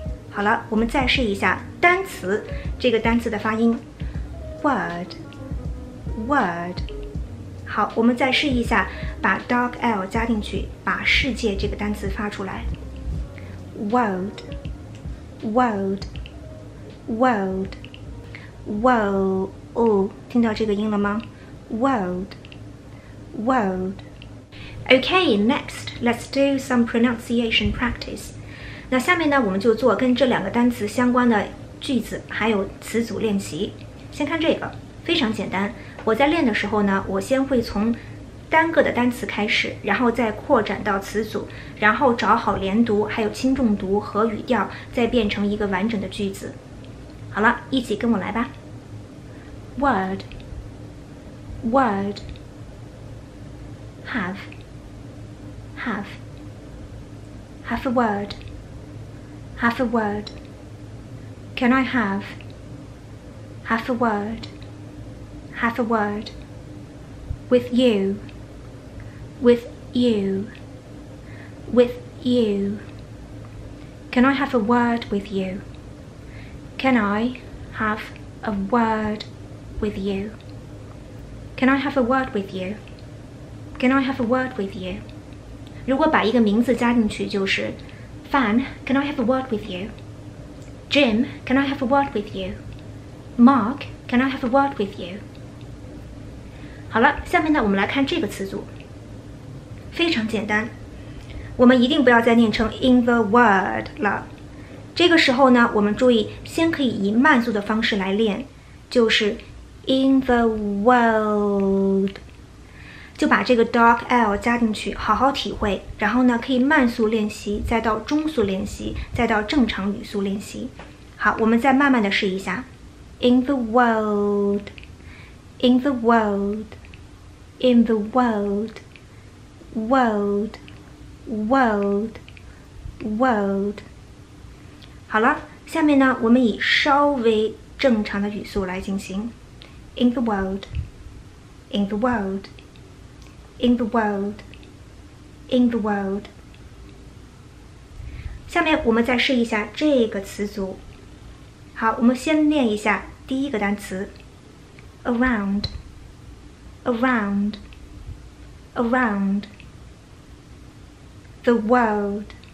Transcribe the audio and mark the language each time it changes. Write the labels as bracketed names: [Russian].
[Chinese] 好了，我们再试一下单词这个单词的发音 [English] word [Chinese] 好，我们再试一下把 dark l 加进去，把世界这个单词发出来 [English] world World, world, world, oh, [Chinese] 听到这个音了吗？ [English] World, world. Okay, next, let's do some pronunciation practice. [Chinese] 那下面呢，我们就做跟这两个单词相关的句子还有词组练习。先看这个，非常简单。我在练的时候呢，我先会从单个的单词开始，然后再扩展到词组，然后找好连读还有轻重读和语调，再变成一个完整的句子。好了，一起跟我来吧。 [English] Word Word Have Have Half a word Half a word Can I have Half a word Half a word With youWith you, with you. Can I have a word with you? Can I have a word with you? Can I have a word with you? Can I have a word with you? [Chinese] 如果把一个名字加进去就是 [English] Fan, can I have a word with you? Jim, can I have a word with you? Mark, can I have a word with you? [Chinese] 好了，下面呢，我们来看这个词组。非常简单，我们一定不要再念成 [English] in the word [Chinese] 了。这个时候呢，我们注意先可以以慢速的方式来练，就是 [English] in the world， [Chinese] 就把这个 dark l 加进去，好好体会。然后呢，可以慢速练习，再到中速练习，再到正常语速练习。好，我们再慢慢的试一下 [English] in the world， in the world， in the world。 World, world, world. [Chinese] 好了，下面呢，我们以稍微正常的语速来进行。 [English] In the world, in the world, in the world, in the world. [Chinese] 下面我们再试一下这个词组。好，我们先念一下第一个单词。 [English] Around, around, around. The world.